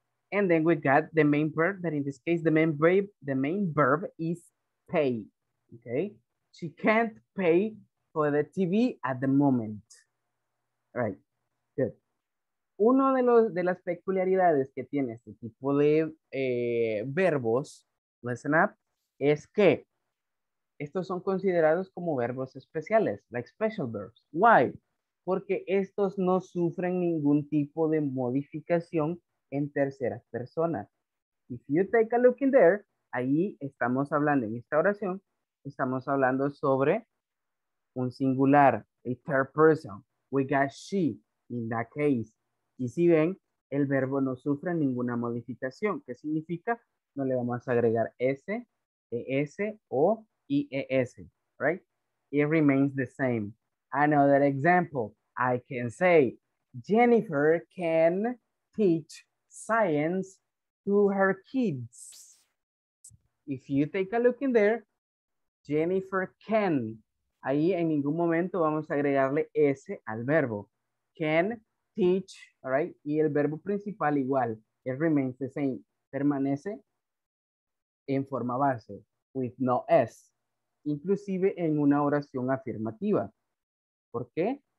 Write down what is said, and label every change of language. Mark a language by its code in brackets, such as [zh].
[en] And then we got the main verb, that in this case, the main verb is pay, okay? She can't pay for the TV at the moment. Right. Good. [es] Uno de los de las peculiaridades que tiene este tipo de verbos, [en] listen up, [es] es que estos son considerados como verbos especiales, [en] like special verbs. Why? [es] Porque estos no sufren ningún tipo de modificación en terceras personas. [en] If you take a look in there, [es] ahí estamos hablando en esta oración, estamos hablando sobre un singular, [en] a third person. We got she in that case. [es] Y si ven, el verbo no sufre ninguna modificación. ¿Qué significa? No le vamos a agregar S, ES o IES, right? [en] It remains the same. Another example, I can say, Jennifer can teach science to her kids. If you take a look in there, Jennifer can. [es] Ahí en ningún momento vamos a agregarle S al verbo. [en] Can teach, all right? [es] Y el verbo principal igual, [en] it remains the same. [es] Permanece en forma base, [en] with no S. [es] Inclusive en una oración afirmativa. ¿Por qué?